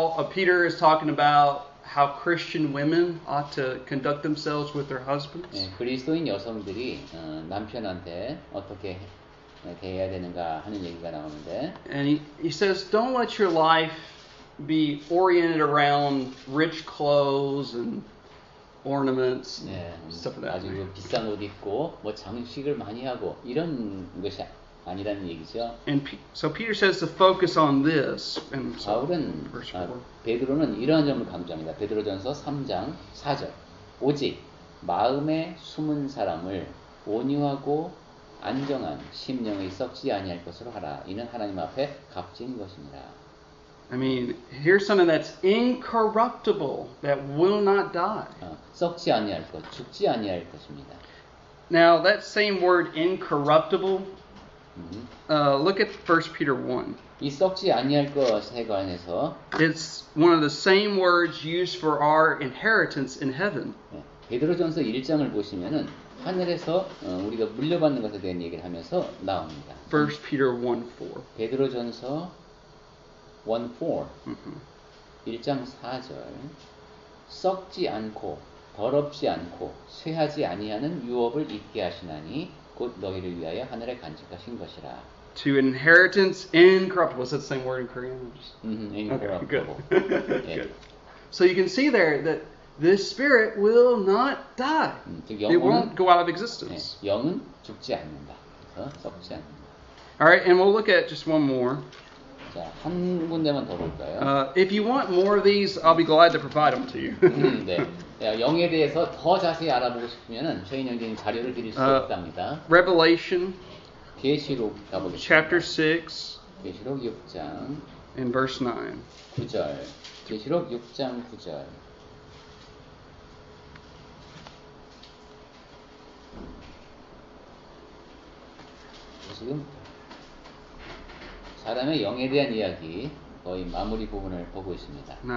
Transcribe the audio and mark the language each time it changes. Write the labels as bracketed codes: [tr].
[en] Peter is talking about how Christian women ought to conduct themselves with their husbands. [ko] 네, 그리스도인 여성들이 남편한테 어떻게 대해야 되는가 하는 얘기가 나오는데. [en] And he says, don't let your life be oriented around rich clothes and ornaments and 네, stuff like that. [ko] 아주 그 비싼 옷 입고 뭐 장식을 많이 하고 이런 것이 아니라는 얘기죠. [en] And so Peter says to focus on this. And so, [ko] 바울은 베드로는 이러한 점을 강조합니다. 베드로전서 3장 4절. 오직 마음에 숨은 사람을 온유하고 안정한 심령이 썩지 아니할 것으로 하라. 이는 하나님 앞에 값진 것입니다. [en] I mean, here's something that's incorruptible that will not die. [ko] 썩지 아니할 것, 죽지 아니할 것입니다. [en] Now that same word incorruptible. Look at 1 Peter 1. [ko] 이 썩지 아니할 것에 관해서 [en] It's one of the same words used for our inheritance in heaven. [ko] 베드로전서 1장을 보시면은 하늘에서 우리가 물려받는 것에 대한 얘기를 하면서 나옵니다. [en] 1 Peter 1:4. [ko] 베드로전서 1:4. 1장 4절. 썩지 않고 더럽지 않고 쇠하지 아니하는 유업을 입게 하시나니 곧 너희를 위하여 하늘에 간직하신 것이라. [en] To inheritance incorruptible. What's that same word in Korean? Incorruptible. So you can see there that this spirit will not die. It won't go out of existence. 네. [ko] 영은 죽지 않는다. 썩지 않는다. [en] All right, and we'll look at just one more. [ko] 자, 한 군데만 더 볼까요? [en] If you want more of these, I'll be glad to provide them to you. [ko] 네. 영에 대해서 더 자세히 알아보고 싶으면 저희 영적인 자료를 드릴 수 있답니다. [en] Revelation [ko] 계시록 가보겠습니다. [en] Chapter 6 [ko] 계시록 6장 [en] and verse 9 [ko] 9절 계시록 6장 9절 지금 사람의 영에 대한 이야기 거의 마무리 부분을 보고 있습니다.